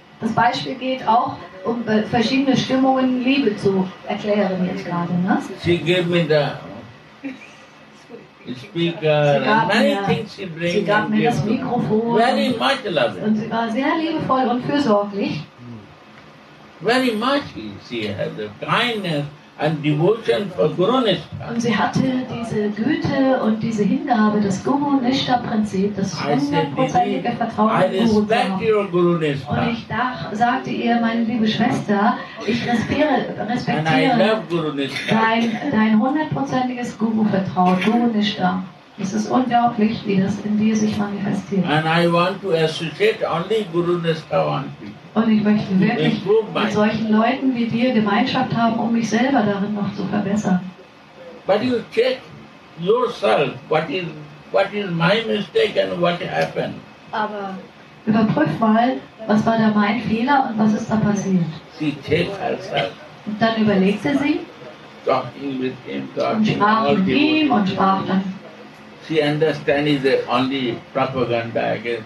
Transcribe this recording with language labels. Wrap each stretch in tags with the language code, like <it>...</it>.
<de>Das Beispiel geht auch, um verschiedene Stimmungen Liebe zu erklären jetzt gerade. Ne?</de> <en>She gave me the speaker, many things she brings.</en> <de>Sie gab mir das Mikrofon.</de> <en>Very much loving.</en> <de>Und sie war sehr liebevoll und fürsorglich.</de> <en>Very much she had the kindness and devotion for Guru Nishtha.</en> <de>Und sie hatte diese Güte und diese Hingabe, das Guru Nishtha Prinzip, das 100%ige Vertrauen in Guru Nishtha. Und ich sagte ihr, meine liebe Schwester, ich respektiere dein 100%iges Guru Vertrauen, Guru Nishtha. Es ist unglaublich, wie das in dir sich manifestiert.</de> <en>And I want to associate only Guru Nishtha one.</en> <de>Und ich möchte wirklich mit solchen Leuten wie dir Gemeinschaft haben, um mich selber darin noch zu verbessern.</de> <en>But you check yourself, what is my mistake and what happened.</en> <de>Aber überprüf mal, was war da mein Fehler und was ist da passiert.</de> <en>She checked herself.</en> <de>Und dann überlegte sie.</de> <en>Talking with him, talking</en> <de>und sprach mit ihm und sprach dann.</de> <en>She understand is the only propaganda again.</en>